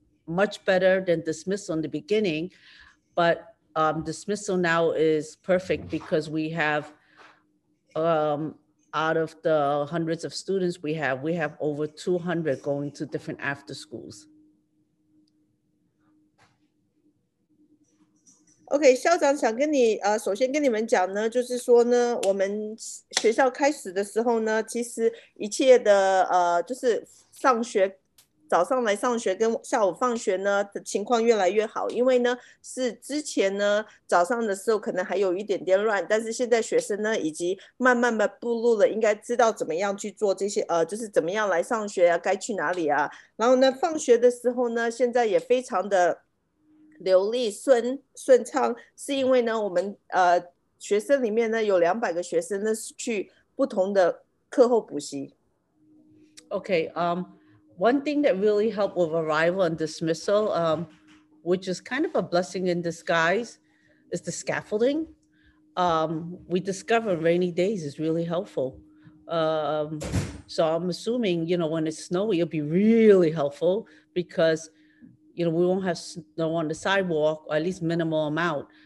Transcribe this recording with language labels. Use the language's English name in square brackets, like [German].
[English] much better than dismissal in the beginning, but dismissal now is perfect because we have, out of the hundreds of students we have over 200 going to different after schools. [Chinese] OK, 校长想跟你首先跟你们讲呢，就是说呢，我们学校开始的时候呢，其实一切的就是上学早上来上学跟下午放学呢的情况越来越好，因为呢是之前呢早上的时候可能还有一点点乱，但是现在学生呢已经慢慢的步入了，应该知道怎么样去做这些就是怎么样来上学啊，该去哪里啊，然后呢放学的时候呢，现在也非常的 流利顺畅，是因为呢，我们学生里面呢有200个学生呢去不同的课后补习。Okay, [English] one thing that really helped with arrival and dismissal, which is kind of a blessing in disguise, is the scaffolding. We discover rainy days is really helpful. So I'm assuming, you know, when it's snowy, it'll be really helpful because, you know, we won't have snow on the sidewalk, or at least minimal amount.